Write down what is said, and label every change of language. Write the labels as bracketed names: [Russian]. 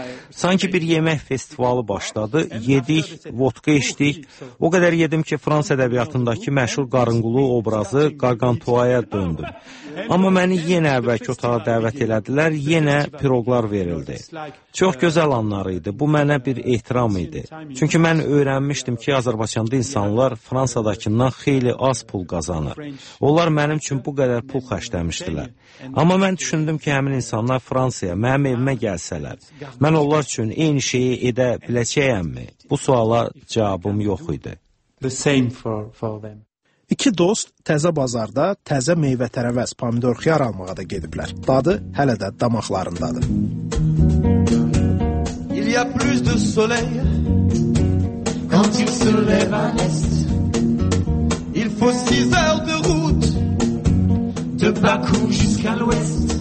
[Azerbaijani] Sanki bir yemək festivalı başladı. Yedik, vodka içdik. O qədər yedim ki, Fransa ədəbiyyatındakı məşhur qarınqulu obrazı Gargantua'ya döndü. Amma məni yenə əvvəlki otağa dəvət elədilər, yenə piroqlar verildi. Çox gözəl anlar idi, bu mənə bir ehtiram idi. Çünki mən öyrənmişdim ki, Azərbaycanda insanlar Fransadakından xeyli az pul qazanır. Onlar mənim üçün bu qədər pul xərcləmişdilər. Amma mən düşündüm ki, həmin insanlar Fransaya, mənim evimə gəlsələr, mən onlar üçün eyni şeyi edə biləcəyəmmi? Bu suala cavabım yox idi. [English] The same for them. [Azerbaijani] İki dost təzə bazarda təzə meyvə tərəvəz, pomidor, xiyar almağa da gediblər. Dadı hələ də damaqlarındadır. [French] Il y a plus de soleil quand il se lève à l'est. Il faut 6 heures de route de Bakou jusqu'à l'ouest.